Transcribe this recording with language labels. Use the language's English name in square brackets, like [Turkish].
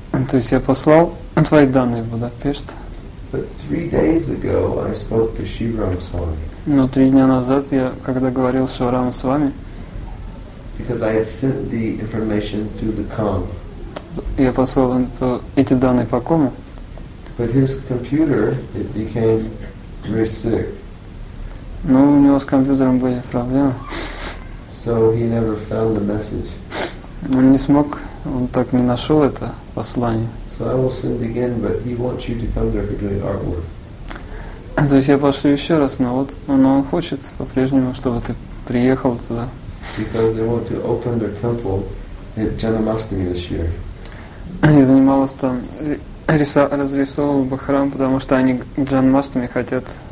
[Russian] То есть я послал твои данные в Будапешт. [English] But 3 days ago I spoke to Shivram Swami. [Russian] Но 3 дня назад я когда говорил с Шиварамом с вами. [English] Because I had sent the information to the COM. [Russian] Я послал эти данные по кому. [English] But his computer, it became very sick. [Russian] Ну у него с компьютером были проблемы. [English] So he never found the message. [Russian] Он не смог, он так не нашел это послание. [English] So I will send again, but he wants you to come there for doing artwork. [Russian] То есть я пошлю еще раз, но вот, но он хочет по-прежнему, чтобы ты приехал туда. [English] Because they want to open their temple at Janamastami this year. [Russian] Они занимались там разрисовывали бы храм, потому что они Джанмастами хотят.